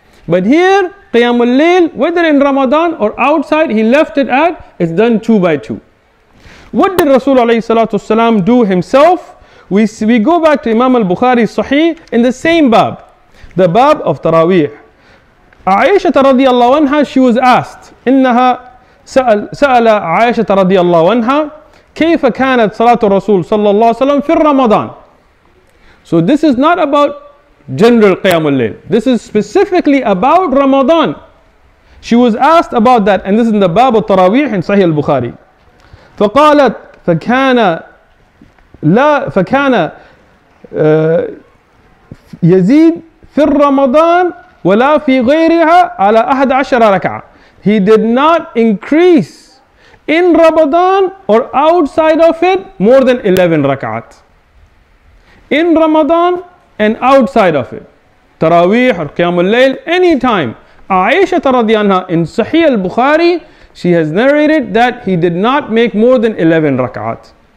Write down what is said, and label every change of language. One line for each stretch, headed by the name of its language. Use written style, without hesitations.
English: But here, Qiyamul Layl, whether in Ramadan or outside, he left it at, it's done two by two. What did Rasulullah do himself? We go back to Imam al-Bukhari Sahih in the same bab, the bab of Taraweeh. Aisha radiallahu anha, she was asked, innaha
Arabic: سأل عائشة رضي الله عنها كيف كانت صلاة الرسول صلى الله عليه وسلم في رمضان.
English: So this is not about general قيام الليل. This is specifically about Ramadan. She was asked about that, and this is in the باب التراويح in Sahih al-Bukhari.
Arabic: فقالت فكان لا فكان يزيد في رمضان ولا في غيرها على 11 ركعة.
English: He did not increase in Ramadan or outside of it more than 11 rak'at. In Ramadan and outside of it. Taraweeh or Qiyamul Layl, any time. Aisha radiyallahu anha in Sahih al-Bukhari, she has narrated that he did not make more than 11 rak'at.